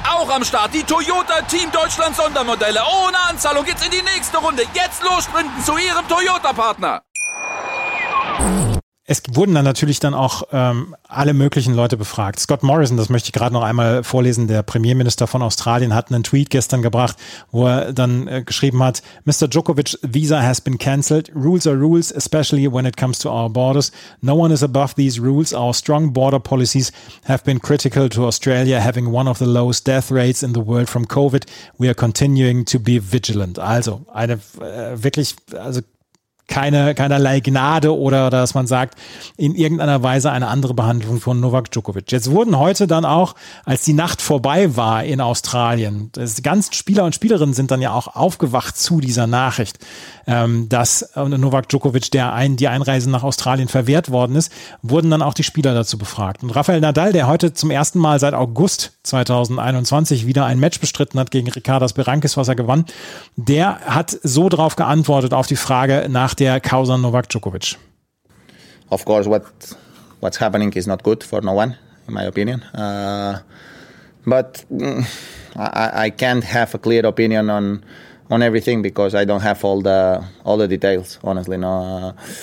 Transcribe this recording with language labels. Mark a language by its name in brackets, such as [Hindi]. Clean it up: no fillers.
[German] Auch am Start die Toyota Team Deutschland Sondermodelle. Ohne Anzahlung geht's in die nächste Runde. Jetzt los sprinten zu ihrem Toyota-Partner. Es wurden dann natürlich dann auch alle möglichen Leute befragt. Scott Morrison, das möchte ich gerade noch einmal vorlesen, der Premierminister von Australien, hat einen Tweet gestern gebracht, wo er dann geschrieben hat, Mr. [English] Djokovic's visa has been cancelled. Rules are rules, especially when it comes to our borders. No one is above these rules. Our strong border policies have been critical to Australia having one of the lowest death rates in the world from COVID. We are continuing to be vigilant. [German] Also eine wirklich, also keinerlei Gnade oder dass man sagt, in irgendeiner Weise eine andere Behandlung von Novak Djokovic. Jetzt wurden heute dann auch, als die Nacht vorbei war in Australien, die ganzen Spieler und Spielerinnen sind dann ja auch aufgewacht zu dieser Nachricht, dass Novak Djokovic die Einreise nach Australien verwehrt worden ist, wurden dann auch die Spieler dazu befragt. Und Rafael Nadal, der heute zum ersten Mal seit August 2021 wieder ein Match bestritten hat gegen Ricardas Berankis, was er gewann, der hat so drauf geantwortet auf die Frage nach der Causa Novak Djokovic. [English] Of course, what's happening is not good for no one, in my opinion. But I can't have a clear opinion on everything because I don't have all the details, honestly. No.